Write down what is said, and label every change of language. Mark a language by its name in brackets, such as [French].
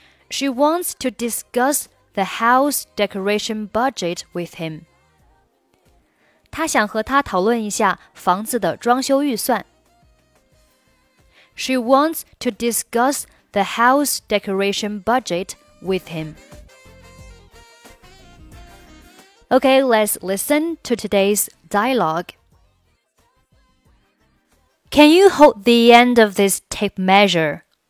[English] She wants to discuss the house decoration budget with him. [Chinese] 她想和他讨论一下房子的装修预算。 [English] She wants to discuss the house decoration budget with him. Okay, let's listen to today's dialogue. Can you hold the end of this tape measure?